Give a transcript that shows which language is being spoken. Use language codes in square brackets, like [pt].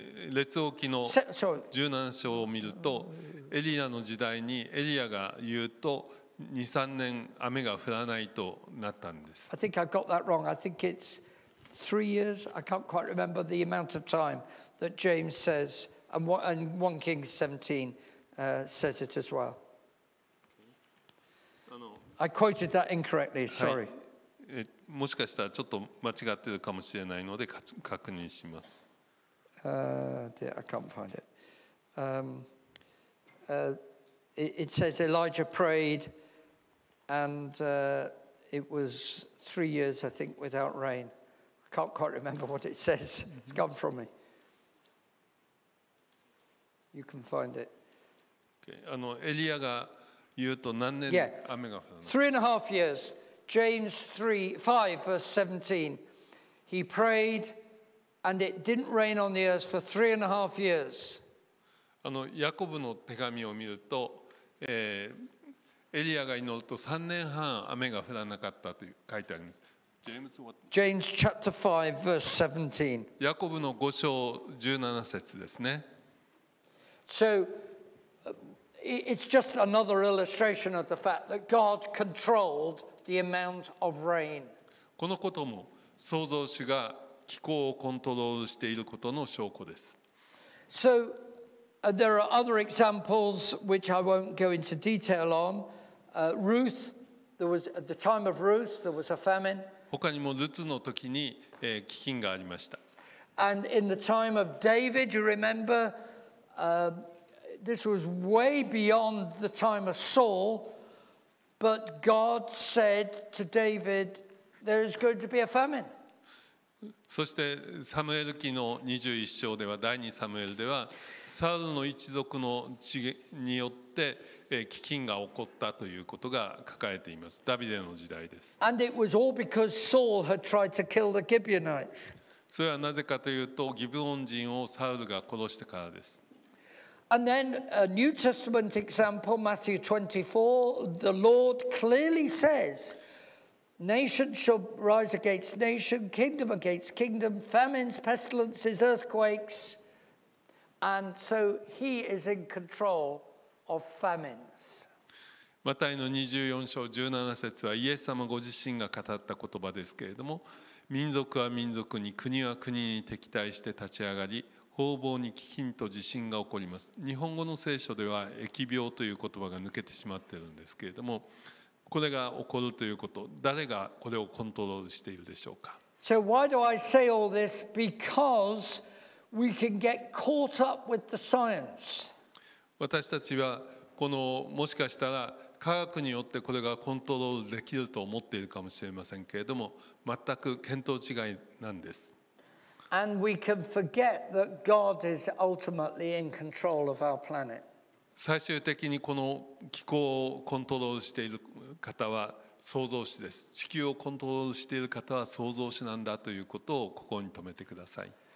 [ja] 列王記の17章を見るとエリアの時代にエリアが言うと2、3年雨が降らないとなったんです。 [en] I think I got that wrong. I think it's 3 years. I can't quite remember the amount of time that James says, and 1 Kings 17 says it as well. I quoted that incorrectly. Sorry. もしかしたらちょっと間違ってるかもしれないので確認します。 I can't find it. It says Elijah prayed. And it was 3 years, I think, without rain. I can't quite remember what it says. It's gone from me. You can find it. Okay. [ja] エリアが言うと何年雨が降るの? [en] Three and a half years. James 3:5, verse 17. He prayed, and it didn't rain on the earth for three and a half years. [ja] ヤコブの手紙を見ると、エリアが祈ると3年半雨が降らなかったと書いてあります。 [en] James chapter 5 verse 17. [ja] ヤコブの5章17節ですね。 [en] So it's just another illustration of the fact that God controlled the amount of rain. [ja] このことも創造主が気候をコントロールしていることの証拠です。 [en] So there are other examples which I won't go into detail on. Ruth, there was at the time of Ruth, there was a famine. [ja] 他にもルツの時に飢饉がありました。 [en] And in the time of David, you remember, this was way beyond the time of Saul, but God said to David, there is going to be a famine. [ja] そしてサムエル記の21章では、第二サムエルでは、サウルの一族の地によって、飢饉が起こったということが書かれています。ダビデの時代です。 [en] And it was all because Saul had tried to kill the Gibeonites. [ja] それはなぜかというとギブオン人をサウルが殺したからです。 [en] And then a New Testament example, Matthew 24, the Lord clearly says Nation shall rise against nation, kingdom against kingdom, famines, pestilences, earthquakes. And so he is in control of famines. [ja] マタイの24章17節はイエス様ご自身が語った言葉ですけれども、民族は民族に、国は国に敵対して立ち上がり、方々に飢饉と地震が起こります。日本語の聖書では疫病という言葉が抜けてしまっているんですけれども、これが起こるということ、誰がこれをコントロールしているでしょうか。 [en] So why do I say all this? Because we can get caught up with the science. [ja] 私たちはこのもしかしたら科学によってこれがコントロールできると思っているかもしれませんけれども、全く見当違いなんです。 [en] And we can forget that God is ultimately in control of our planet. [ja] 最終的にこの気候をコントロールしている方は創造主です。地球をコントロールしている方は創造主なんだということをここに留めてください。